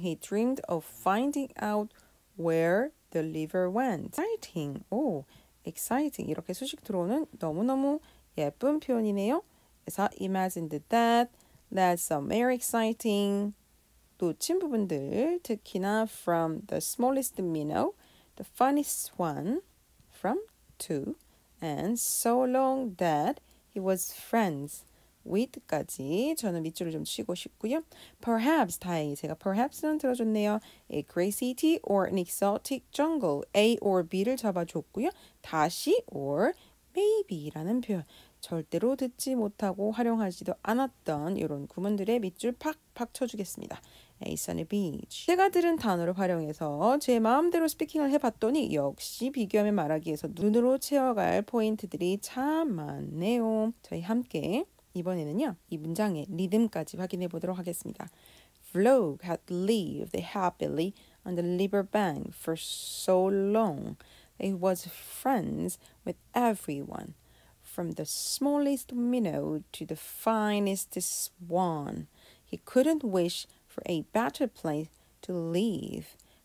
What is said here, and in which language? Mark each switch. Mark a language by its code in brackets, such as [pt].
[en] He dreamed of finding out where the river went. Exciting, 오, exciting. [ko] 이렇게 소식 들어오는 너무너무 예쁜 표현이네요. 그래서 [en] imagined that, that's very exciting. [ko] 놓친 부분들, 특히나 [en] from the smallest minnow, the funniest one, from two, and so long that he was friends with까지 [ko] 저는 밑줄을 좀 치고 싶고요. [en] Perhaps, [ko] 다행히 제가 [en] perhaps는 [ko] 들어줬네요. [en] A great city or an exotic jungle, A or B를 [ko] 잡아줬고요. 다시 [en] or maybe [ko] 라는 표현. 절대로 듣지 못하고 활용하지도 않았던 이런 구문들의 밑줄 팍팍 쳐주겠습니다. [en] A sunny beach. [ko] 제가 들은 단어를 활용해서 제 마음대로 스피킹을 해봤더니 역시 비교하면 말하기에서 눈으로 채워갈 포인트들이 참 많네요. 저희 함께 이번에는요. 이 문장의 리듬까지 확인해 보도록 하겠습니다. [en] frog had lived happily on the riverbank for so long. It was friends with everyone, from the smallest minnow to the finest swan. He couldn't wish for a better place to live.